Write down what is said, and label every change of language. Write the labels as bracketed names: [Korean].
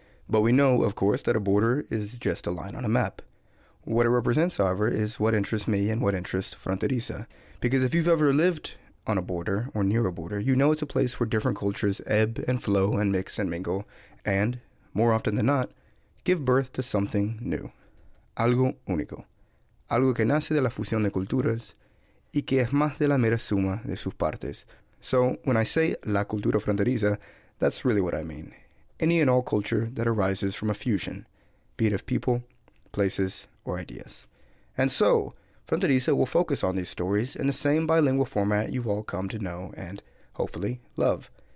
[English] But we know, of course, that a border is just a line on a map. What it represents, however, is what interests me and what interests Fronteriza. Because if you've ever lived on a border or near a border, you know it's a place where different cultures ebb and flow and mix and mingle and, more often than not, give birth to something new. [Spanish] Algo único. Algo que nace de la fusión de culturas y que es más de la mera suma de sus partes. [English] So, when I say [Spanish] la cultura fronteriza, [English] that's really what I mean. Any and all culture that arises from a fusion, be it of people, places, or ideas. And so, Fronteriza will focus on these stories in the same bilingual format you've all come to know and, hopefully, love.